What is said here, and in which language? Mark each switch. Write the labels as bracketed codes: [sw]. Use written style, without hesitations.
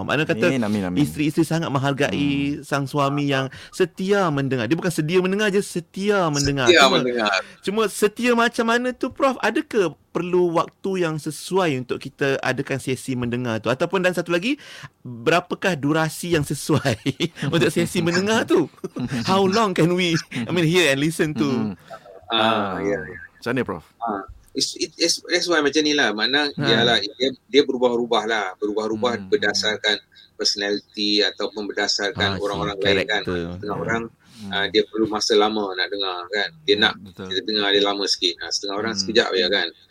[ms] Mana kata isteri-isteri sangat menghargai sang suami yang setia mendengar. Dia bukan sedia mendengar je, setia mendengar. Setia mendengar. Cuma setia macam mana tu Prof? Adakah perlu waktu yang sesuai untuk kita adakan sesi mendengar tu? Ataupun dan satu lagi, berapakah durasi yang sesuai untuk sesi mendengar tu? [en] How long can we, I mean, hear and listen to? [ms] Macam mana Prof? [en] That's why [ms] macam ni lah. Makna ialah dia berubah-ubah lah. Berubah-ubah berdasarkan personality ataupun berdasarkan orang-orang lain kan. Setengah orang dia perlu masa lama nak dengar kan. Dia nak kita dengar dia lama sikit. Setengah orang sekejap je kan.